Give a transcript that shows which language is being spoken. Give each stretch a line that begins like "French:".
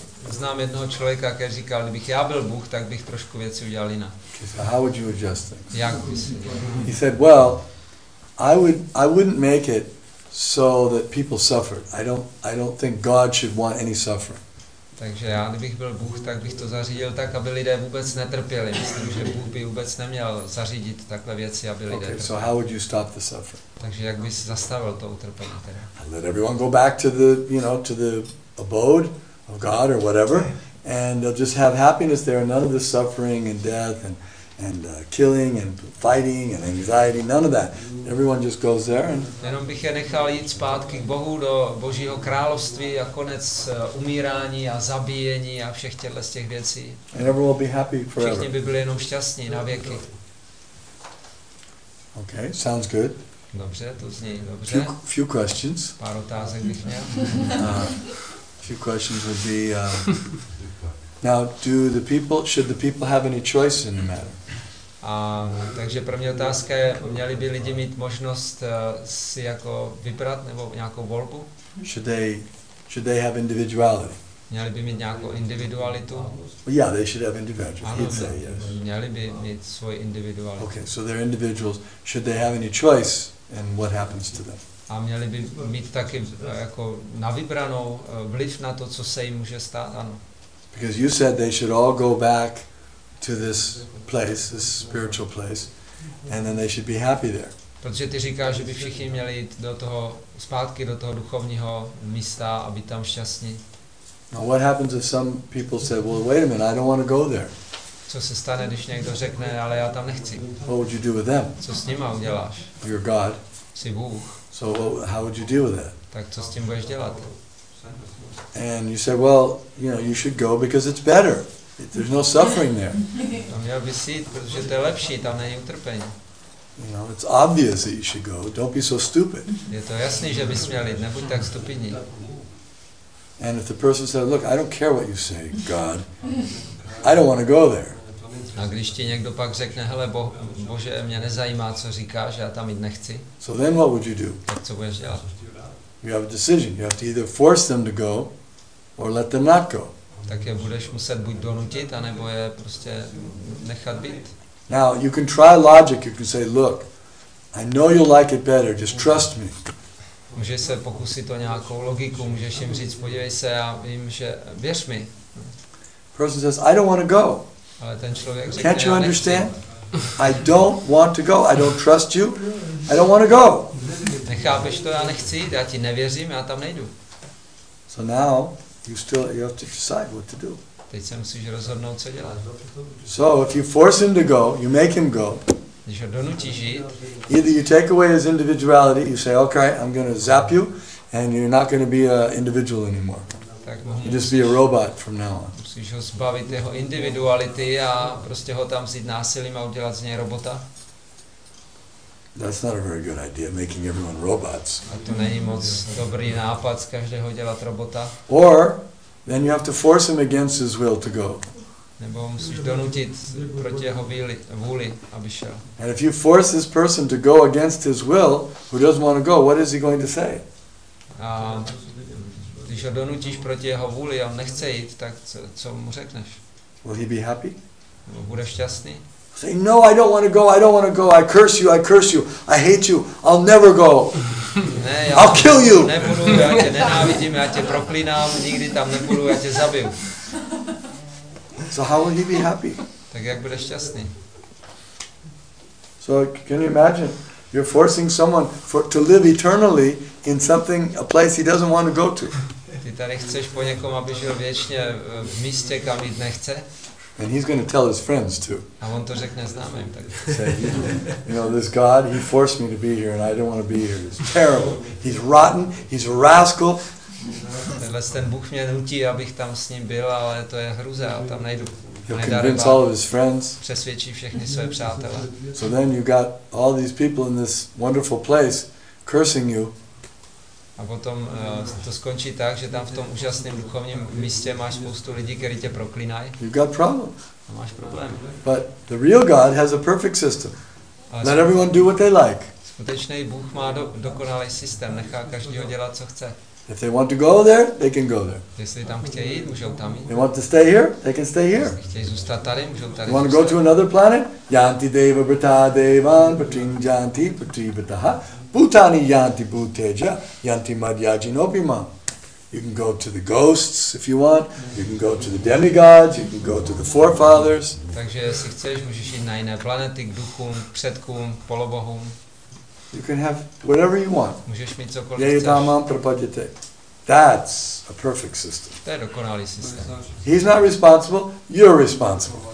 Czech: Znám jednoho člověka, který říkal, kdybych já byl Bůh, tak bych trošku věci udělal jinak.
English: He said, how would you adjust things?
Czech: Jak bys?
English: He said, well, I wouldn't make it so that people suffered. I don't think God should want any suffering.
Czech: Takže já, kdybych byl Bůh, tak bych to zařídil tak, aby lidé vůbec netrpěli. Myslím, že Bůh by vůbec neměl zařídit takhle věci, aby lidé trpěli.
English: Okay, so how would you stop the suffering?
Czech: Takže jak bys zastavil to utrpení teda?
English: I let everyone go back to the, you know, to the abode of God or whatever, and they'll just have happiness there, none of the suffering and death and killing and fighting and anxiety, none of that. Everyone just goes there and
Czech: jenom bych je nechal jít zpátky k Bohu do Božího království a konec umírání a zabíjení a všech těchto z těch věcí.
English: And everyone will be happy forever.
Czech: Všichni by byli jenom šťastní na věky.
English: Okay, sounds good.
Czech: Dobře, to zní dobře.
English: Few questions.
Czech: Pár otázek bych měl.
English: Few questions would be now should the people have any choice in the matter?
Czech: Takže první otázka je, měli by lidi mít možnost si jako vybrat nebo nějakou volbu?
English: Should they have individuality?
Czech: Měli by mít nějakou individualitu?
English: Yeah, they should have individuality. He'd say yes.
Czech: Měli by mít svoji individualitu.
English: Okay, so they're individuals. Should they have any choice in what happens to them?
Czech: A měli by mít taky jako na vybranou vliv na to, co se jim může stát, ano?
English: Because you said they should all go back to this place, this spiritual place, and then they should be happy there.
Czech: Protože ty říkáš, že by všichni měli jít do toho zpátky do toho duchovního místa, aby tam šťastní.
English: Now what happens if some people say, well, wait a minute, I don't want to go there?
Czech: Co se stane, když někdo řekne, ale já tam nechci?
English: What would you do with them?
Czech: Co s nima uděláš?
English: You're God.
Czech: Jsi Bůh.
English: So how would you deal with that?
Czech: Tak co s tím budeš dělat?
English: And you say, well, you know, you should go because it's better. There's no suffering there.
Czech: A měl bys jít, protože to je lepší, tam není utrpení.
English: You know, it's obvious that you should go. Don't be so stupid.
Czech: Je to jasný, že bys měl jít, nebuď tak stupidní.
English: And if the person said, look, I don't care what you say, God, I don't want to go there.
Czech: A když ti někdo pak řekne, hele, Bože, mě nezajímá, co říkáš, já tam jít nechci.
English: So then what would you do?
Czech: Tak co budeš dělat?
English: You have a decision. You have to either force them to go, or let them not go.
Czech: Tak je budeš muset buď donutit, anebo je prostě nechat být.
English: Now you can try logic. You can say, look, I know you'll like it better. Just trust me.
Czech: Můžeš se pokusit o nějakou logiku. Můžeš jim říct, podívej se, já vím, že věř mi.
English: Person says, I don't want to go.
Czech: Ale ten člověk říká,
English: can't you understand? I don't want to go. I don't trust you. I don't want to go.
Czech: Nechápeš to, já nechci jít, já ti nevěřím, já tam nejdu.
English: So now you have to decide what to do.
Czech: Teď se musíš rozhodnout, co dělat.
English: So if you force him to go, you make him go.
Czech: Když ho donutíš jít.
English: Either you take away his individuality, you say, okay, I'm going to zap you, and you're not going to be an individual anymore.
Czech: A tak
English: just be a robot from now on.
Czech: Musíš ho zbavit jeho individuality a prostě ho tam vzít násilím a udělat z něj robota.
English: That's not a very good idea, making everyone robots.
Czech: A to není moc dobrý nápad, z každého dělat robota.
English: Or then you have to force him against his will to go.
Czech: Nebo musíš donutit proti jeho vůli, aby šel.
English: And if you force this person to go against his will, who doesn't want to go, what is he going to say?
Czech: A když ho donutíš proti jeho vůli a on nechce jít, tak co mu řekneš?
English: Will he be happy?
Czech: Nebo bude šťastný?
English: Say no, I don't want to go. I don't want to go. I curse you. I curse you. I hate you. I'll never go.
Czech: Ne,
English: I'll kill you.
Czech: Nebudu, já tě nenávidím, já tě proklínám, nikdy tam nebudu, já tě zabiju.
English: So how will he be happy?
Czech: Tak jak bude šťastný?
English: So can you imagine? You're forcing someone to live eternally in something, a place he doesn't want to go to.
Czech: Ty tady chceš po někom, aby žil věčně v místě, kam jít nechce?
English: And he's going to tell his friends too.
Czech: A on to řekne známým, tak.
English: You know, this God, he forced me to be here and I don't want to be here. It's terrible. He's rotten, he's a rascal.
Czech: Tenhle ten Bůh mě nutí, abych tam s ním byl, ale to je hruze, a tam nejdu.
English: He'll convince all of his friends.
Czech: Přesvědčí všechny své přátelé.
English: So then you got all these people in this wonderful place cursing you.
Czech: A potom to skončí tak, že tam v tom úžasném duchovním místě máš spoustu lidí, kteří tě proklínají.
English: You've got problems.
Czech: A máš problém.
English: But the real God has a perfect system. Let everyone do what they like.
Czech: Skutečný Bůh má dokonalý systém, nechá každýho dělat, co chce.
English: If they want to go there, they can go there.
Czech: Jestli tam chtějí jít, můžou tam jít.
English: They want to stay here, they can stay here.
Czech: Jestli chtějí zůstat tady, můžou tady.
English: You want to go to another planet?
Sanskrit: Yanti deva brata devan patrin janti patri brataha. Bhutani yanti bhuteja yanti madhyajinopima.
English: You can go to the ghosts if you want. You can go to the demigods. You can go to the forefathers.
Czech: Takže jestli chceš, můžeš jít na jiné planety, k duchům, k předkům, k polobohům.
English: You can have whatever you want.
Czech: Můžeš mít cokoliv.
Sanskrit: Yeyatamam prapadyate.
English: That's a perfect system.
Czech: To je dokonalý systém.
English: He's not responsible. You're responsible.